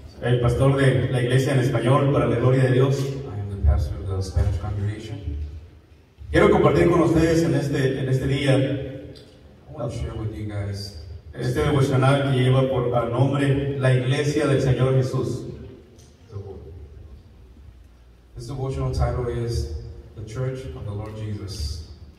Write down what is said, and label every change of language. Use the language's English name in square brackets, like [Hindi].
[Spanish] El pastor de la iglesia en español para la gloria de Dios. [English] I am the pastor of the Spanish congregation. [Spanish] Quiero compartir con ustedes en este día. [English] I'll share with you guys. [Spanish] Este devocional que lleva por al nombre la iglesia del Señor Jesús. [English] This devotional title is The Church of the Lord Jesus.